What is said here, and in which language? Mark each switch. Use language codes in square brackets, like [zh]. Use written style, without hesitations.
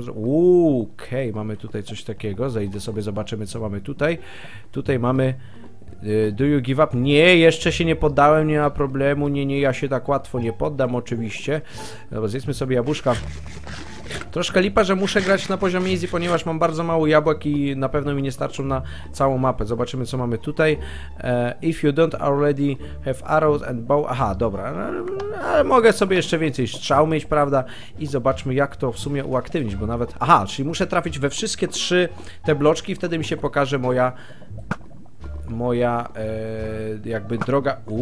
[pl] Okej, okay, mamy tutaj coś takiego. Zejdę sobie, zobaczymy, co mamy tutaj. Tutaj mamy. [en] Do you give up? [pl] Nie, jeszcze się nie poddałem, nie ma problemu. Nie, ja się tak łatwo nie poddam, oczywiście. Dobra, zjedzmy sobie jabłuszka. Troszkę lipa, że muszę grać na poziom easy, ponieważ mam bardzo mało jabłek i na pewno mi nie starczą na całą mapę. Zobaczymy, co mamy tutaj. [en] If you don't already have arrows and bow... [pl] Aha, dobra, ale mogę sobie jeszcze więcej strzał mieć, prawda? I zobaczmy, jak to w sumie uaktywnić, bo nawet... Aha, czyli muszę trafić we wszystkie trzy te bloczki, wtedy mi się pokaże moja jakby droga...